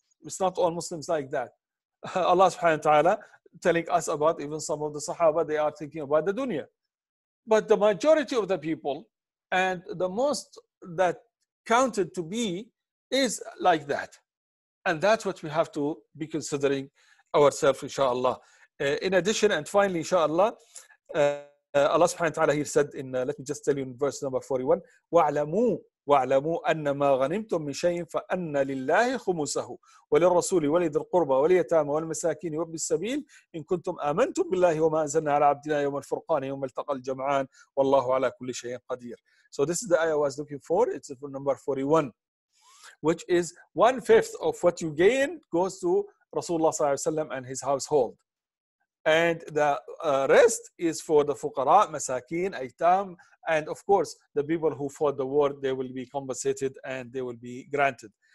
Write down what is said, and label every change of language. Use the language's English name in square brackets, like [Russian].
[English] It's not all Muslims like that. Allah subhanahu wa ta'ala telling us about even some of the Sahaba, they are thinking about the dunya. But the majority of the people and the most that counted to be is like that. And that's what we have to be considering ourselves, inshallah. In addition, and finally, inshallah, Allah subhanahu wa ta'ala here said, let me just tell you in verse number 41, [Arabic] وَاعْلَمُوا أَنَّمَا غَنِمْتُمْ مِنْ شَيْءٍ فَأَنَّ لِلَّهِ خُمُسَهُ وَلِلرَّسُولِ وَلِذِي الْقُرْبَى وَالْيَتَامَى وَالْمَسَاكِينِ وَابْنِ السَّبِيلِ إِنْ كُنْتُمْ آمَنْتُمْ بِاللَّهِ وَمَا أَنزَلْنَا عَلَى عَبْدِنَا يَوْمَ الْفُرْقَانِ يَوْمَ الْتَقَى الْجَمْعَانِ وَاللَّهُ عَلَى كُلِّ شَيْءٍ قَدِيرٌ. [English] So this is the ayah I was looking for. It's number 41, which is 1/5 of what you gain goes to Rasulullah صلى الله عليه وسلم and his household. And the rest is for the fuqara, masakin, aytam, and of course, the people who fought the war, they will be compensated and they will be granted.